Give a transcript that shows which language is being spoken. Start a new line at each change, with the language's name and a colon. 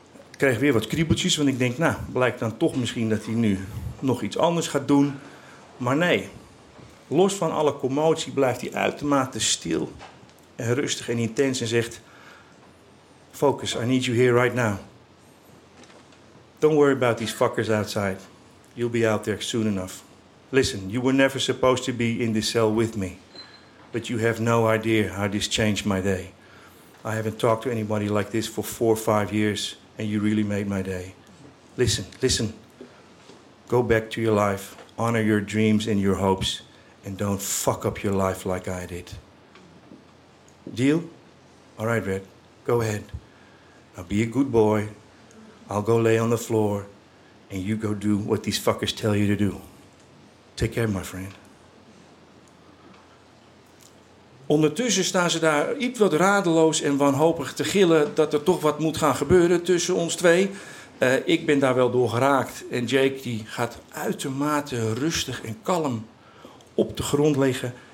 Dutch: Ik krijg weer wat kriebeltjes, want ik denk, nou, blijkt dan toch misschien dat hij nu nog iets anders gaat doen. Maar nee, los van alle commotie blijft hij uitermate stil en rustig en intens en zegt, focus, I need you here right now.
English: Don't worry about these fuckers outside. You'll be out there soon enough. Listen, you were never supposed to be in this cell with me. But you have no idea how this changed my day. I haven't talked to anybody like this for 4 or 5 years, and you really made my day. Listen. Go back to your life, honor your dreams and your hopes, and don't fuck up your life like I did. Deal? All right, Red, go ahead. Now be a good boy. I'll go lay on the floor, and you go do what these fuckers tell you to do. Take care, my friend.
Dutch: Ondertussen staan ze daar iets wat radeloos en wanhopig te gillen dat er toch wat moet gaan gebeuren tussen ons twee. Ik ben daar wel door geraakt en Jake die gaat uitermate rustig en kalm op de grond liggen.